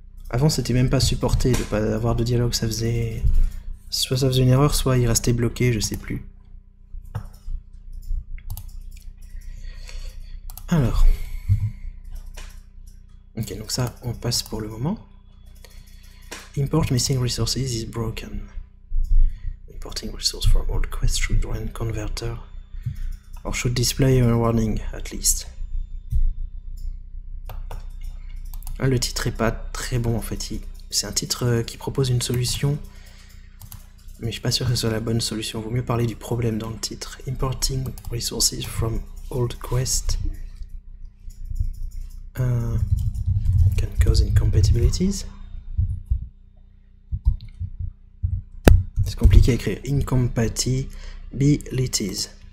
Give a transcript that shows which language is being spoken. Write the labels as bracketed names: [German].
[French] Avant, c'était même pas supporté de pas avoir de dialogue, soit ça faisait une erreur, soit il restait bloqué, je sais plus. Alors. Ok, donc ça, on passe pour le moment. [English] Import missing resources is broken. Importing resources from old quest should drain converter. Or should display a warning, at least. [French] Le titre est pas très bon en fait. C'est un titre qui propose une solution, mais je suis pas sûr que ce soit la bonne solution. Vaut mieux parler du problème dans le titre. [English] Importing resources from old quest can cause incompatibilities. [French] C'est compliqué à écrire. Incompatibilities.